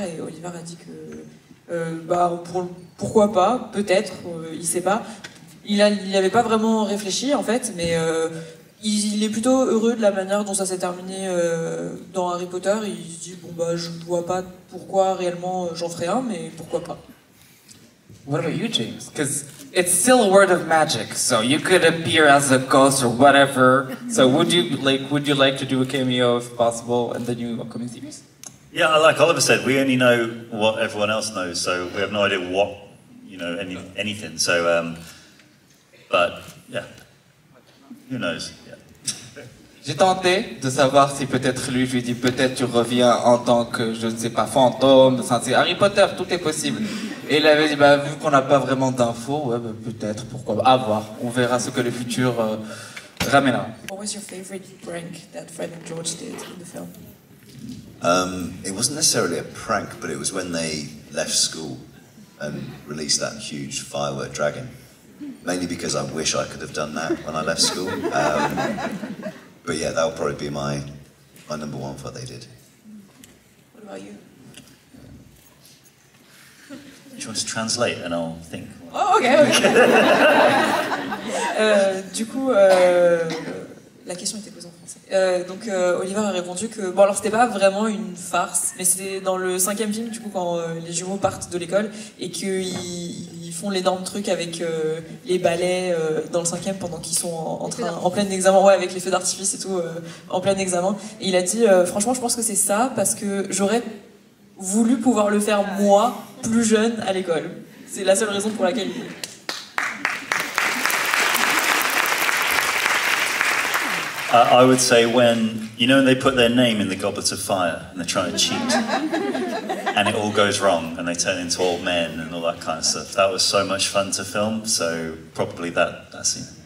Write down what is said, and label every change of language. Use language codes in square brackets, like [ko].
[fr] Et Oliver a dit que, pourquoi pas, peut-être, il sait pas. Il n'avait pas vraiment réfléchi en fait, mais il est plutôt heureux de la manière dont ça s'est terminé dans Harry Potter. Il se dit, je vois pas pourquoi réellement j'en ferai un, mais pourquoi pas. [en] What about you, James? Because it's still a word of magic, so you could appear as a ghost or whatever. So would you like to do a cameo if possible in the new upcoming series? Yeah, like Oliver said, we only know what everyone else knows, so we have no idea what, you know, anything. So, but yeah, who knows? [fr] J'ai tenté de savoir si peut-être lui, je lui ai dit peut-être tu reviens en tant que, je ne sais pas, fantôme, c'est Harry Potter, tout est possible. Et il avait dit, vu qu'on n'a pas vraiment d'infos, ouais, peut-être, pourquoi, à voir, on verra ce que le futur ramènera. [en] What was your favorite prank that Fred and George did in the film? It wasn't necessarily a prank, but it was when they left school and released that huge firework dragon. Mainly because I wish I could have done that when I left school. But yeah, that would probably be my number one for what they did. What about you? Do you want to translate and I'll think? Oh, okay. [fr] la question était posée en français. Oliver a répondu que, c'était pas vraiment une farce, mais c'était dans le cinquième film, du coup, quand les jumeaux partent de l'école et qu'ils font l'énorme truc avec les balais dans le cinquième pendant qu'ils sont en plein examen, ouais, avec les feux d'artifice et tout, en plein examen. Et il a dit, franchement, je pense que c'est ça parce que j'aurais voulu pouvoir le faire moi, plus jeune, à l'école. C'est la seule raison pour laquelle il est. [en] I would say when, you know, when they put their name in the goblet of fire and they're trying to cheat and it all goes wrong and they turn into old men and all that kind of stuff. That was so much fun to film, so probably that scene.